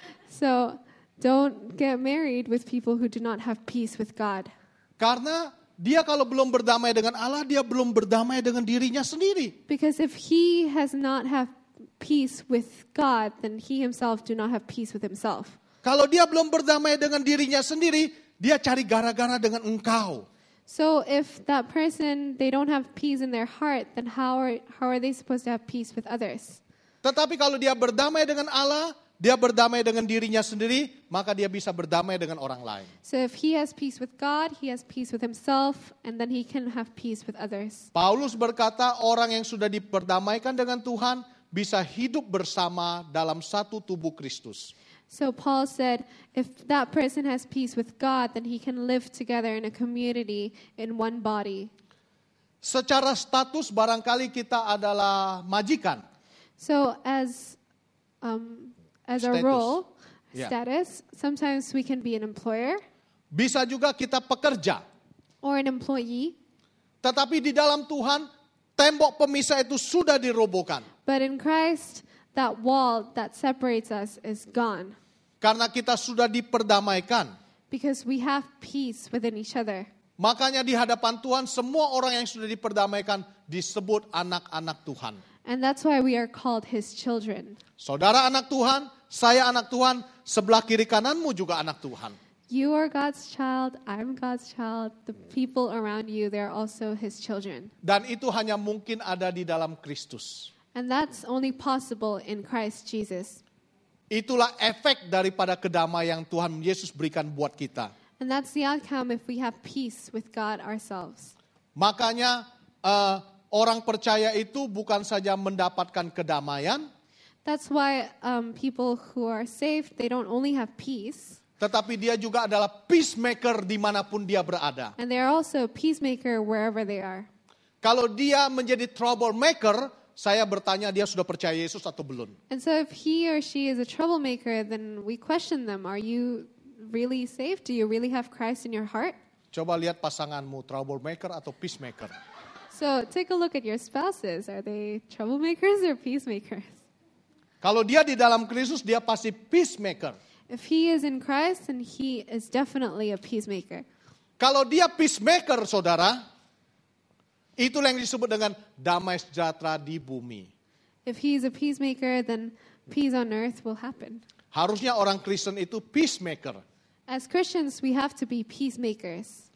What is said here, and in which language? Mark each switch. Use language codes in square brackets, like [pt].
[en] So don't get married with people who do not have peace with God. [id] Karena dia kalau belum berdamai dengan Allah, dia belum berdamai dengan dirinya sendiri. [en] Because if he has not have peace with God, then he himself do not have peace with himself. [id] Kalau dia belum berdamai dengan dirinya sendiri, dia cari gara-gara dengan engkau. [en] So if that person they don't have peace in their heart, then how are they supposed to have peace with others? [id] Tetapi kalau dia berdamai dengan Allah, dia berdamai dengan dirinya sendiri, maka dia bisa berdamai dengan orang lain. [en] So if he has peace with God, he has peace with himself, and then he can have peace with others. [id] Paulus berkata, orang yang sudah diperdamaikan dengan Tuhan, bisa hidup bersama dalam satu tubuh Kristus. [en] So Paul said, if that person has peace with God, then he can live together in a community, in one body. [id] Secara status barangkali kita adalah majikan. [en] So as status. A role, yeah. Status, sometimes we can be an employer. [id] Bisa juga kita pekerja. [en] Or an employee. [id] Tetapi di dalam Tuhan, tembok pemisah itu sudah dirobohkan. [en] But in Christ, that wall that separates us is gone. [id] Karena kita sudah diperdamaikan. [en] Because we have peace within each other. [id] Makanya di hadapan Tuhan, semua orang yang sudah diperdamaikan disebut anak-anak Tuhan. [en] And that's why we are called his children. [id] Saudara anak Tuhan, saya anak Tuhan, sebelah kiri kananmu juga anak Tuhan. [en] You are God's child, I'm God's child, the people around you, they're also his children. [id] Dan itu hanya mungkin ada di dalam Kristus. [en] And that's only possible in Christ Jesus. [id] Itulah efek daripada kedamaian yang Tuhan Yesus berikan buat kita. [en] And that's the outcome if we have peace with God ourselves. [id] Makanya orang percaya itu bukan saja mendapatkan kedamaian. [en] That's why people who are saved, they don't only have peace. [id] Tetapi dia juga adalah peacemaker dimanapun dia berada. [en] And they are also peacemaker wherever they are. [id] Kalau dia menjadi troublemaker, saya bertanya dia sudah percaya Yesus atau belum. [en] And so if he or she is a troublemaker, then we question them. Are you really saved? Do you really have Christ in your heart? [id] Coba lihat pasanganmu, troublemaker atau peacemaker. [en] So take a look at your spouses. Are they troublemakers or peacemakers? [id] Kalau dia di dalam Kristus, dia pasti peacemaker. [en] If he is in Christ, then he is definitely a peacemaker. [id] Kalau dia peacemaker, saudara, itu yang disebut dengan damai sejahtera di bumi. [en] If he is a peacemaker, then peace on earth will happen. [id] Harusnya orang Kristen itu peacemaker. [en] As Christians, we have to be peacemakers.